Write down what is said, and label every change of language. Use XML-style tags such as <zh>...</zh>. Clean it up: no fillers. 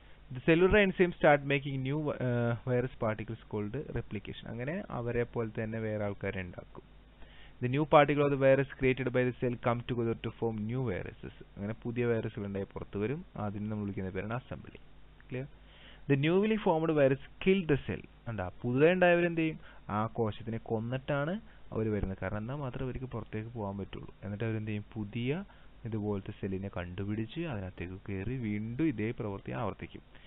<en>The cellular enzyme start making new virus particles called replication.</en> <ml>അങ്ങനെ അവരെ പോലെ തന്നെ വേറെ ആൾക്കാരെ ഉണ്ടാക്കും.</ml> <en>The new particle of the virus created by the cell come together to form new viruses.</en> <ml>അങ്ങനെ പുതിയ വൈറസുകൾ ഉണ്ടായി പുറത്തു വരും. അതിന് നമ്മൾ വിളിക്കുന്ന പേരാണ് assembly. Clear.</ml> <en>The newly formed virus kill the cell.</en> <ml>എന്താ, പുതുതായി ഉണ്ടായവർ എന്ത് ചെയ്യും? ആ കോശത്തിനെ കൊന്നിട്ടാണ് അവർ വരുന്നത്. കാരണം എന്നാൽ മാത്രമേ അവർക്ക് പുറത്തേക്ക് പോകാൻ പറ്റുള്ളൂ. എന്നിട്ട് അവരെന്ത് ചെയ്യും? പുതിയ ഇതുപോലത്തെ സെല്ലിനെ കണ്ടുപിടിച്ച് അതിനകത്തേക്ക് കയറി വീണ്ടും ഇതേ പ്രവൃത്തി ആവർത്തിക്കും.</ml>